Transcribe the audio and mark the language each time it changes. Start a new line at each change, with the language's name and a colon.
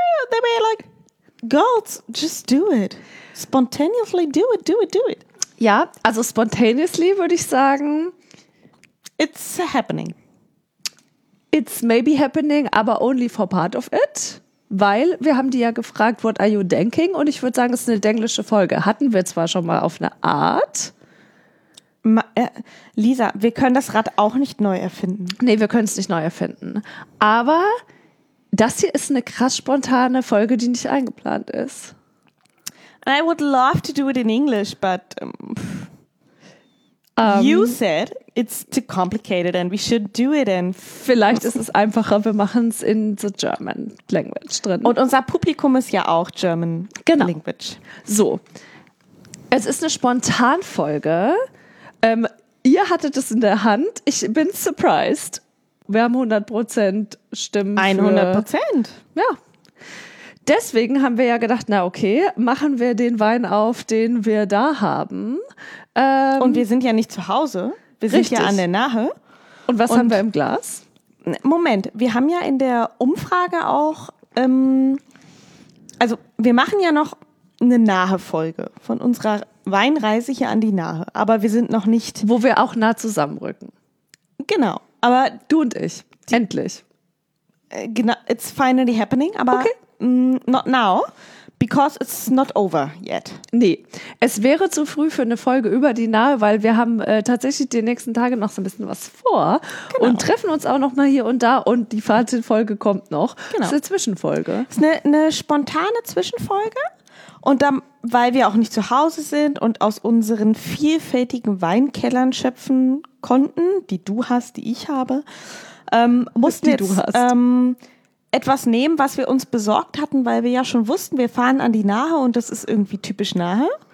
English: They were like, girls, just do it. Spontaneously do it, do it, do it.
German: Yeah, also spontaneously würde ich sagen.
English: It's happening. It's maybe happening, aber only for part of it.
German: Weil wir haben die ja gefragt,
English: what are you thinking?
German: Und ich würde sagen, es ist eine denglische Folge. Hatten wir zwar schon mal auf eine Art. Lisa, wir können das Rad auch nicht neu erfinden. Nee, wir können es nicht neu erfinden. Aber das hier ist eine krass spontane Folge, die nicht eingeplant ist.
English: I would love to do it in English, but you said it's too complicated and we should do it in...
German: Vielleicht ist es einfacher, wir machen es in
English: the German language
German: drin. Und unser Publikum ist ja auch German genau.
English: Language.
German: So, es ist eine Spontanfolge. Ihr hattet es in der Hand. Ich bin surprised. Wir haben 100% Stimmen. 100%? Für, ja. Deswegen haben wir ja gedacht, na okay, machen wir den Wein auf, den wir da haben. Und wir sind ja nicht zu Hause. Wir sind ja an der Nahe. Und was haben wir im Glas? Moment, wir haben ja in der Umfrage auch, also wir machen ja noch eine Nahe-Folge von unserer Weinreise hier an die Nahe. Aber wir sind noch nicht... Wo wir auch nah zusammenrücken. Genau. Aber du und ich, endlich.
English: Genau, it's finally happening, aber... Okay. Not now, because it's not over yet.
German: Nee, es wäre zu früh für eine Folge über die Nahe, weil wir haben tatsächlich die nächsten Tage noch so ein bisschen was vor. Genau. Und treffen uns auch noch mal hier und da und die Fazitfolge kommt noch. Genau. Das ist eine Zwischenfolge. Das ist eine spontane Zwischenfolge. Und dann, weil wir auch nicht zu Hause sind und aus unseren vielfältigen Weinkellern schöpfen konnten, die du hast, die ich habe, mussten wir etwas nehmen, was wir uns besorgt hatten, weil wir ja schon wussten, wir fahren an die Nahe und das ist irgendwie typisch Nahe.